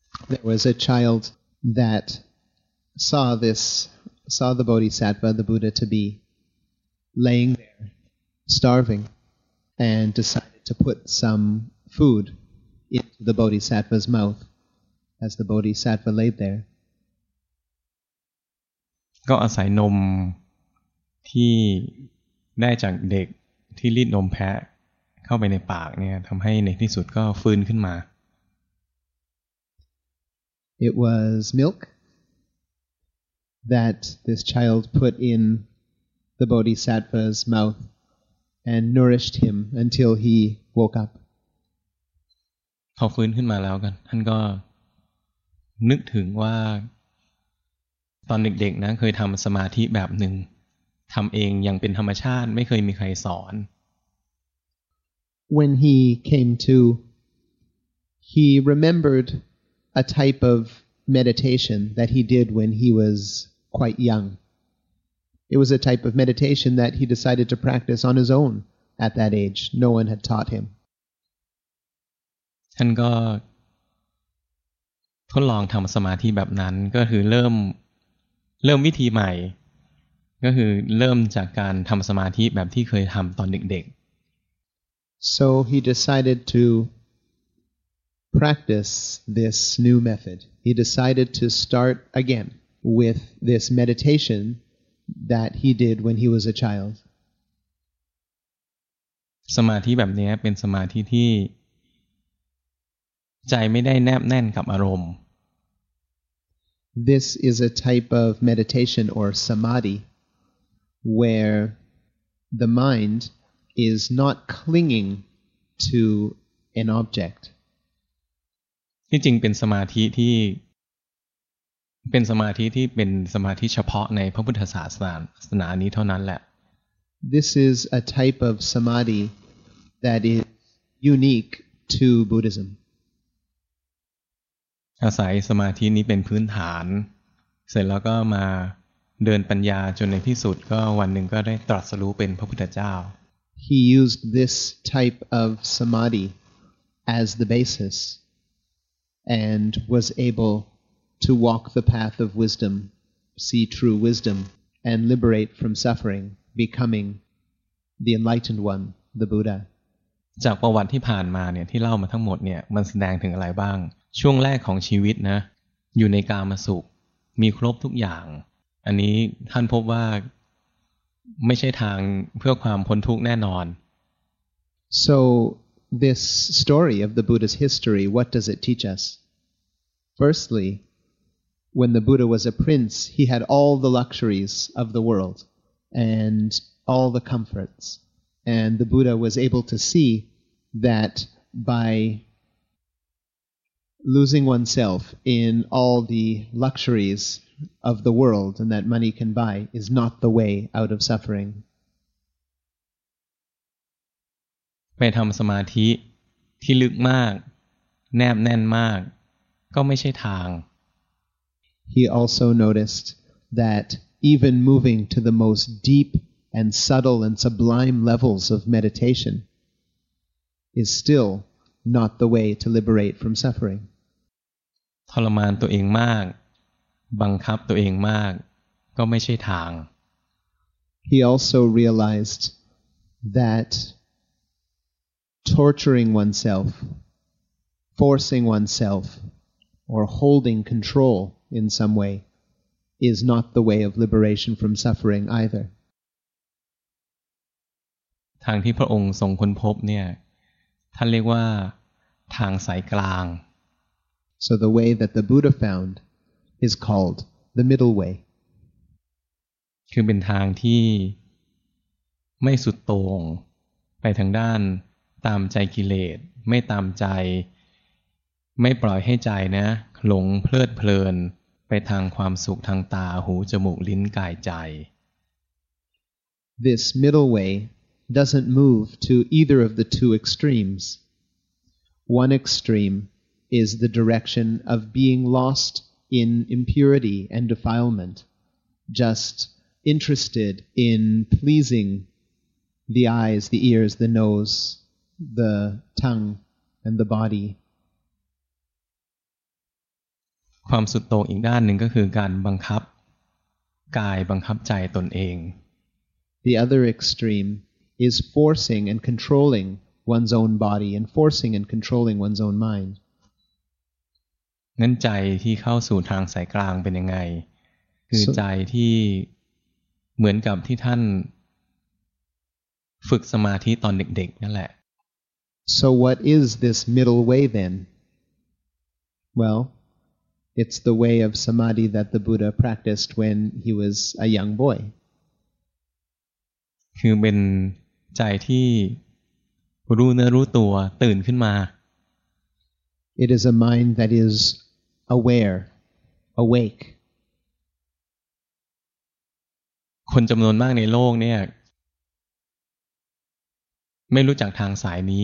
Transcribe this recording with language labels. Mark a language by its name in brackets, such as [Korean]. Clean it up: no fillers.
[English] There was a child that saw the Bodhisattva, the Buddha to be laying there, starving, and decided to put some food into the Bodhisattva's mouth as the Bodhisattva laid there. [Thai] ก็อาศัยนมที่ได้จากเด็กที่รีดนมแพะเข้าไปในปากเนี่ยทำให้ในที่สุดก็ฟื้นขึ้นมา [English] It was milk that this child put in the Bodhisattva's mouth and nourished him until he woke up. [Thai] พอฟื้นขึ้นมาแล้วกันท่านก็นึกถึงว่าตอนเด็กๆนะเคยทำสมาธิแบบหนึ่งทำเองอย่างเป็นธรรมชาติไม่เคยมีใครสอน [English] When he came to, he rememberedA type of meditation that he did when he was quite young. It was a type of meditation that he decided to practice on his own at that age. No one had taught him. [Thai] ท่านก็ทดลองทำสมาธิแบบนั้นก็คือเริ่มวิธีใหม่ก็คือเริ่มจากการทำสมาธิแบบที่เคยทำตอนเด็ก [English] ๆ So he decided to. Practice this new method. He decided to start again with this meditation that he did when he was a child. [Thai] สมาธิแบบนี้เป็นสมาธิที่ใจไม่ได้แนบแน่นกับอารมณ์ [English] This is a type of meditation or samadhi where the mind is not clinging to an object. [Thai] ที่จริงเป็นสมาธิที่เป็นสมาธิที่เป็นสมาธิเฉพาะในพระพุทธศาสนาานี้เท่านั้นแหละ [English] This is a type of samadhi that is unique to Buddhism [Thai] อาศัยสมาธินี้เป็นพื้นฐานเสร็จแล้วก็มาเดินปัญญาจนในที่สุดก็วันหนึ่งก็ได้ตรัสรู้เป็นพระพุทธเจ้า [English] He used this type of samadhi as the basisAnd was able to walk the path of wisdom, see true wisdom, and liberate from suffering, becoming the enlightened one, the Buddha. [Thai] จากประวัติที่ผ่านมาเนี่ยที่เล่ามาทั้งหมดเนี่ยมันแสดงถึงอะไรบ้างช่วงแรกของชีวิตนะอยู่ในกามสุขมีครบทุกอย่างอันนี้ท่านพบว่าไม่ใช่ทางเพื่อความพ้นทุกข์แน่นอน [English] SoThis story of the Buddha's history, what does it teach us? Firstly, when the Buddha was a prince, he had all the luxuries of the world and all the comforts. And the Buddha was able to see that by losing oneself in all the luxuries of the world and that money can buy is not the way out of suffering. [Thai] ไปทำสมาธิที่ลึกมากแนบแน่นมากก็ไม่ใช่ทาง [English] he also noticed that even moving to the most deep and subtle and sublime levels of meditation is still not the way to liberate from suffering. [Thai] ทรมานตัวเองมากบังคับตัวเองมากก็ไม่ใช่ทาง [English] He also realized that torturing oneself, forcing oneself, or holding control in some way is not the way of liberation from suffering either. [Thai] ทางที่พระองค์ทรงค้นพบเนี่ยท่านเรียกว่าทางสายกลาง [English] So the way that the Buddha found is called the middle way. [Thai] คือเป็นทางที่ไม่สุดโต่งไปทางด้านตามใจกิเลสไม่ตามใจไม่ปล่อยให้ใจนะหลงเพลิดเพลินไปทางความสุขทางตาหูจมูกลิ้นกายใจ [English] This middle way doesn't move to either of the two extremes. One extreme is the direction of being lost in impurity and defilement, just interested in pleasing the eyes, the ears, the nose, the tongue, and the body. [Thai] ความสุดโต่งอีกด้านหนึ่งก็คือการบังคับกายบังคับใจตนเอง [English] The other extreme is forcing and controlling one's own body and forcing and controlling one's own mind. [Thai] งั้นใจที่เข้าสู่ทางสายกลางเป็นยังไงคือใจที่เหมือนกับที่ท่านฝึกสมาธิตอนเด็กๆนั่นแหละ [English] So what is this middle way then? Well,It's the way of samadhi that the Buddha practiced when he was a young boy. [Thai] คือเป็นใจที่รู้เนื้อรู้ตัวตื่นขึ้นมา [English] It is a mind that is aware, awake. [Thai] คนจำนวนมากในโลกเนี่ยไม่รู้จักทางสายนี